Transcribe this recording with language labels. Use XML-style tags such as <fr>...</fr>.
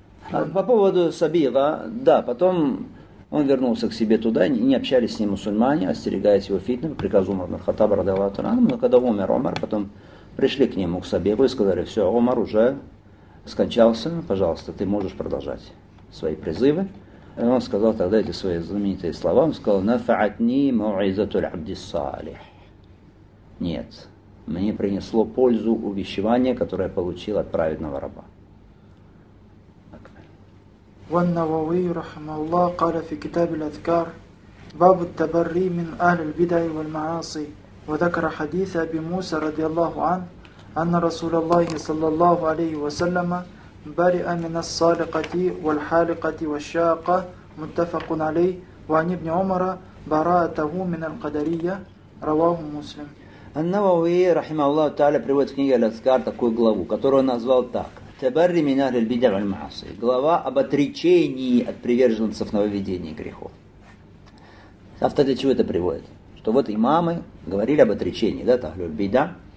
<ru>А по поводу Сабига, да, потом он вернулся к себе туда, не общались с ним мусульмане, остерегаясь его фитны, по приказу Умара ибн аль-Хаттаба, радиаллаху анху, но когда умер Умар, потом пришли к нему, к Сабигу, и сказали, все, Умар уже скончался, пожалуйста, ты можешь продолжать свои призывы. И он сказал тогда эти свои знаменитые слова, он сказал,</ru> <ar>«Нафаатни муизатуль абдиссалих».</ar> <ru>Нет, мне принесло пользу увещевание, которое я получил от праведного раба.</ru> <ar>والنووي رحمه الله قال في كتاب الأذكار باب التبري من أهل البدع والمعاصي وذكر حديث أبي موسى رضي الله عنه أن رسول الله صلى الله عليه وسلم برئ من الصالقة والحالقة والشاقة متفق عليه وعن ابن عمر براءته من القدرية رواه مسلم النووي رحمه الله تعالى</ar> <ru>приводит в книге الأذكار такую главу, которую назвал так.</ru> <ar>Табарри минар аль-бидъа валь-маъсия.</ar> <ru>Глава об отречении от приверженцев нововведений грехов. Автор для чего это приводит? Что вот имамы говорили об отречении, да, тахлюль-бидъа.</ru>